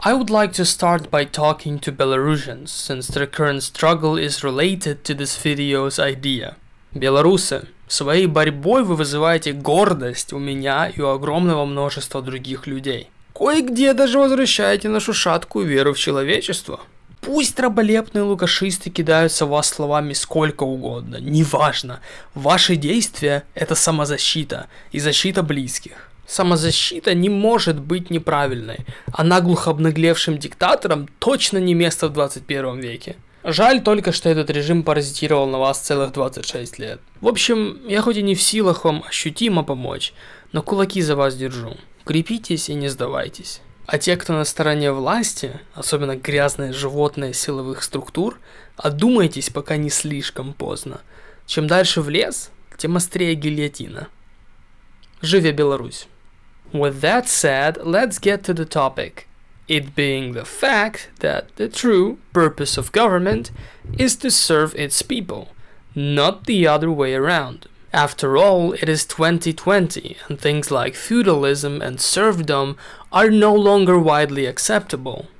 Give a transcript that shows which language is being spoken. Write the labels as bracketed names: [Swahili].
[English] I would like to start by talking to Belarusians, since their current struggle is related to this video's idea. [Russian] Белорусы, своей борьбой вы вызываете гордость у меня и у огромного множества других людей. Кое-где даже возвращаете нашу шаткую веру в человечество. Пусть раболепные лукашисты кидаются в вас словами сколько угодно, неважно. Ваши действия – это самозащита и защита близких. Самозащита не может быть неправильной, а наглухо обнаглевшим диктаторам точно не место в 21 веке. Жаль только, что этот режим паразитировал на вас целых 26 лет. В общем, я хоть и не в силах вам ощутимо помочь, но кулаки за вас держу. Крепитесь и не сдавайтесь. А те, кто на стороне власти, особенно грязное животное силовых структур, одумайтесь, пока не слишком поздно. Чем дальше в лес, тем острее гильотина. Живе Беларусь! [English] With that said, let's get to the topic. It being the fact that the true purpose of government is to serve its people, not the other way around. After all, it is 2020, and things like feudalism and serfdom are no longer widely acceptable.